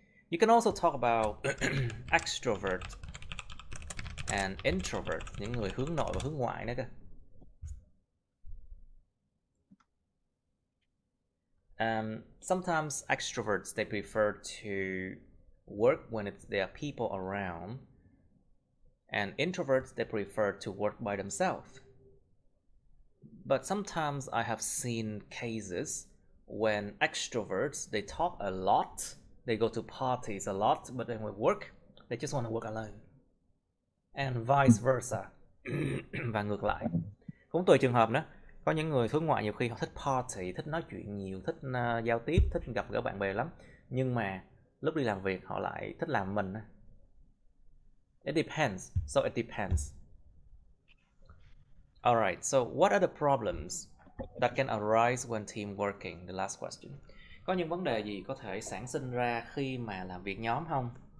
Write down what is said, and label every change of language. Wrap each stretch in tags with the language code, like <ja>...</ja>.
<en>You can also talk about extrovert and introvert,</en> <vi>những người hướng nội và hướng ngoại nữa cơ.</vi> <en>Sometimes extroverts, they prefer to work when there are people around. And introverts, they prefer to work by themselves. But sometimes I have seen cases when extroverts, they talk a lot, they go to parties a lot, but then with work, they just want to work alone. And vice versa.</en> <vi>Và ngược lại. Cũng tùy trường hợp nữa. Có những người hướng ngoại nhiều khi họ thích party, thích nói chuyện nhiều, thích giao tiếp, thích gặp gỡ bạn bè lắm. Nhưng mà lúc đi làm việc họ lại thích làm mình.</vi> <en>It depends. So it depends. Alright, so what are the problems that can arise when team working? The last question.</en> <vi>Có những vấn đề gì có thể sản sinh ra khi mà làm việc nhóm không?</vi>